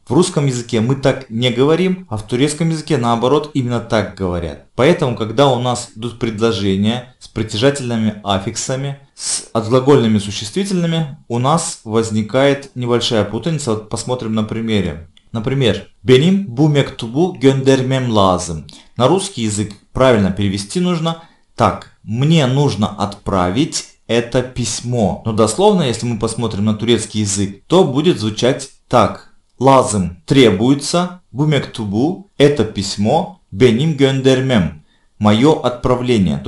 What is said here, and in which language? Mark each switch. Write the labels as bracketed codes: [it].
[ru] В русском языке мы так не говорим, а в турецком языке наоборот именно так говорят. Поэтому, когда у нас идут предложения с притяжательными аффиксами, с отглагольными существительными, у нас возникает небольшая путаница. Вот посмотрим на примере. Например, [tr] «Benim bu mektubu göndermem lazım». [ru] На русский язык правильно перевести нужно так. «Мне нужно отправить это письмо». Но дословно, если мы посмотрим на турецкий язык, то будет звучать так. [tr] «Lazım» [ru] – «требуется», [tr] «bu mektubu» [ru] – «это письмо», [tr] «benim göndermem» [ru] – «мое отправление».